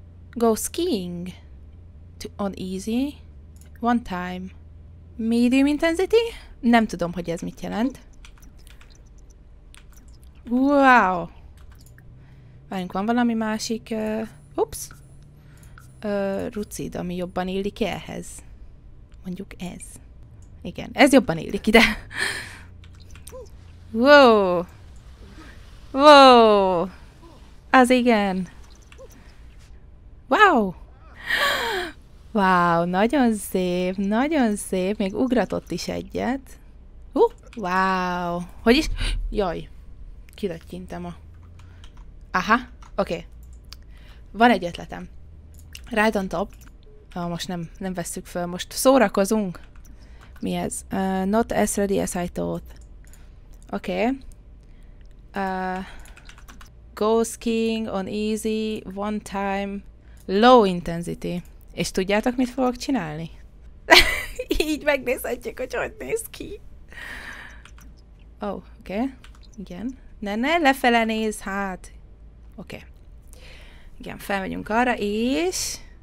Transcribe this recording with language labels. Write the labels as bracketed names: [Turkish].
[English] Go skiing on easy, one time, medium intensity? [Hungarian] Nem tudom, hogy ez mit jelent. Wow! Várjunk, van valami másik... Ups! Rucid, ami jobban illik ehhez. Mondjuk ez. Igen, ez jobban illik ide. Wow! Wow! Az igen! Wow! Wow, nagyon szép, nagyon szép. Még ugratott is egyet. Wow! Hogy is? Jaj! Kilattyintem a... Aha, oké. Okay. Van egy ötletem. [English] Right on top. [Hungarian] Ah, most nem vesszük föl, most szórakozunk. Mi ez? [English] Not as ready as I thought. Oké. Okay. Go skiing on easy, one time... Low intensity. [Hungarian] És tudjátok, mit fogok csinálni? Így megnézhetjük, hogy hogy néz ki. Oh, oké. Okay. Igen. Ne, lefele néz, hát. Oké. Okay. Igen, felmegyünk arra, és...